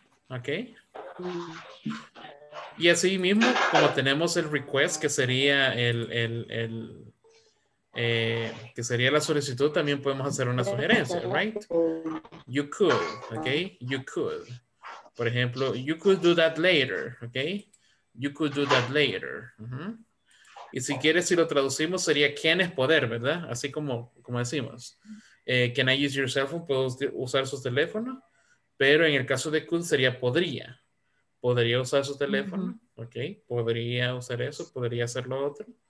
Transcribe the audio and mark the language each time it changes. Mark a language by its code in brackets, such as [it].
[en] Okay. [es] Y así mismo, como tenemos el request, que sería la solicitud, también podemos hacer una sugerencia, right? [en] You could, okay? You could. [es] Por ejemplo, [en] you could do that later, okay? You could do that later. [es] Y si quieres, si lo traducimos, sería can es poder, ¿verdad? Así como decimos. [en] Can I use your cell phone? [es] Puedo usar su teléfono. Pero en el caso de could sería podría. ¿Podría usar su teléfono? ¿Ok? ¿Podría usar eso? ¿Podría hacer lo otro?